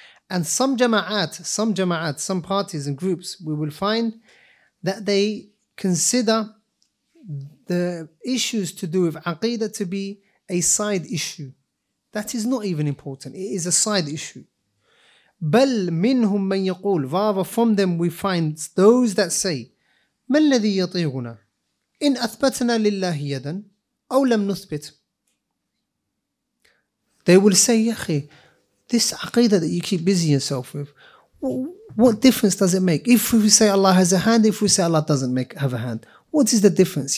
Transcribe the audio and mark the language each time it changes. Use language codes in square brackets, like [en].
[en] And some jama'at, some parties and groups, we will find that they consider the issues to do with aqeedah to be a side issue. That is not even important. It is a side issue. [ar] بَلْ مِنْهُمْ مَنْ يَقُولُ. [en] Rather, from them we find those that say, [ar] مَا الَّذِي يَطِيغُنَا إِنْ أَثْبَتْنَا لِلَّهِ يَدًا أَوْ لَمْ نُثْبِتْ. [en] They will say, يَخِي, this aqeedah that you keep busy yourself with, what difference does it make? If we say Allah has a hand, if we say Allah doesn't have a hand, what is the difference?